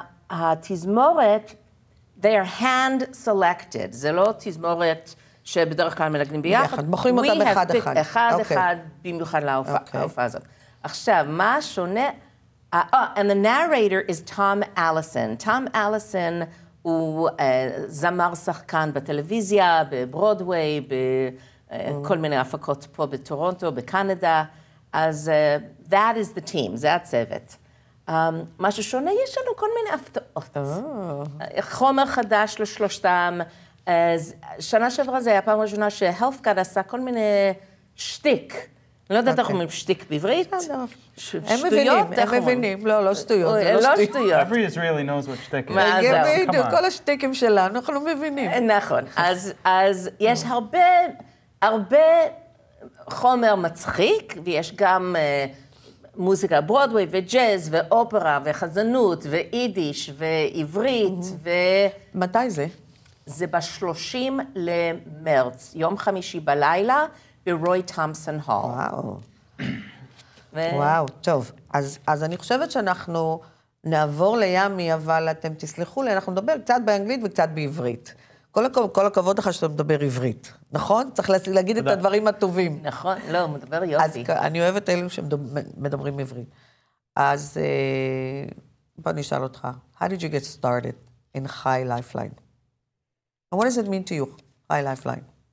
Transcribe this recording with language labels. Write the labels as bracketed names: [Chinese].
[Hebrew] והתזמורת, [English] they are hand selected. [Hebrew] זה לא תזמורת שבדרך כלל מנגנים ביחד. ביחד, מוכרים אותם אחד-אחד. אחד-אחד, okay. אחד, במיוחד להופעה okay. הזאת. עכשיו, מה שונה? [English] And the narrator is Tom Allison. Tom Allison... [Hebrew] הוא זמר שחקן בטלוויזיה, בברודווי, בכל מיני הפקות פה בטורונטו, בקנדה. אז [English] that is the team, [Hebrew] זה הצוות. מה ששונה, יש לנו כל מיני הפתעות. חומר חדש לשלושתם. שנה שעברה זה היה פעם ראשונה שהלפקאט עשה כל מיני שטיק. אני לא יודעת איך אומרים שטיק בעברית. הם מבינים. לא שטויות. לא שטויות. [English] Every Israeli knows what [Hebrew] שטיק [English] is. [Hebrew] מה זהו, [English] come on. [Hebrew] כל השטיקים שלנו, אנחנו מבינים. נכון. אז יש הרבה חומר מצחיק, ויש גם מוזיקה ברודווי וג'אז ואופרה וחזנות ויידיש ועברית. מתי זה? זה ב-30 למרץ, יום חמישי בלילה, ברוי תומסון הול. וואו, טוב. אז אני חושבת שאנחנו נעבור לימי, אבל אתם תסלחו לי, אנחנו נדבר קצת באנגלית וקצת בעברית. כל הכבוד לך שאתה מדבר עברית, נכון? צריך להגיד את הדברים הטובים. נכון, לא, מדבר יופי. אז אני אוהבת אלו שמדברים עברית. אז בוא נשאל אותך, [English] How did you get started in High Lifeline? And what does it mean to you, High Lifeline?